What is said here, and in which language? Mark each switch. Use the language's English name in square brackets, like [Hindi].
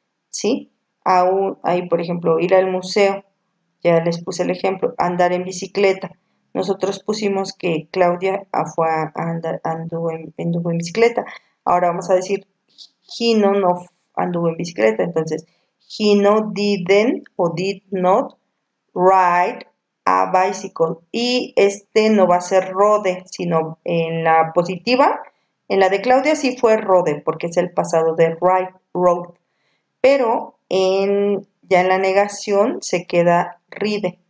[Spanish] ¿Sí? Ahí, por ejemplo, ir al museo. Ya les puse el ejemplo. Andar en bicicleta. Nosotros pusimos que Claudia anduvo en bicicleta. Ahora vamos a decir, Gino no anduvo en bicicleta. [English] Entonces, Gino didn't o did not ride a bicycle. [Spanish] Y este no va a ser rode, sino en la positiva. En la de Claudia sí fue rode, porque es el pasado de ride, rode. Pero ya en la negación se queda ride.